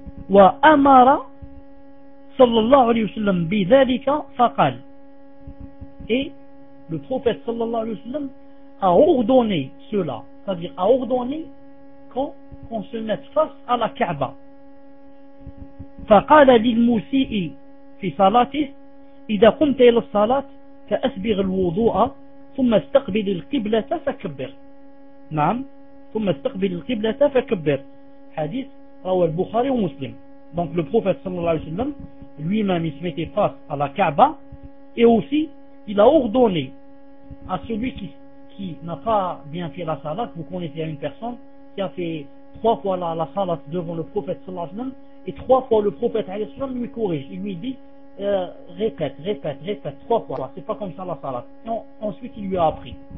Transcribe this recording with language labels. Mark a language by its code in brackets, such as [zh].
[ar] Wa amara sallallahu alayhi wa sallam bidhalika faqal. [fr] Et le prophète sallallahu alayhi wa sallam a ordonné cela. C'est-à-dire a ordonné qu'on se mette face à la Kaaba. [ar] فقال للمسيء في صلاته إذا قمت إلى الصلاة فأسبغ الوضوء ثم استقبل القبلة فكبر. نعم ثم استقبل القبلة فكبر. حديث رواه البخاري ومسلم. [fr] Donc le prophète صلى الله عليه وسلم lui-même se mettait face à la Kaaba et aussi il a ordonné à celui qui n'a pas bien fait la salat. Vous connaissez une personne qui a fait trois fois la salat devant le prophète صلى الله عليه وسلم et trois fois le prophète alayhi salam lui corrige, il lui dit répète trois fois, c'est pas comme ça la salat. Ensuite il lui a appris.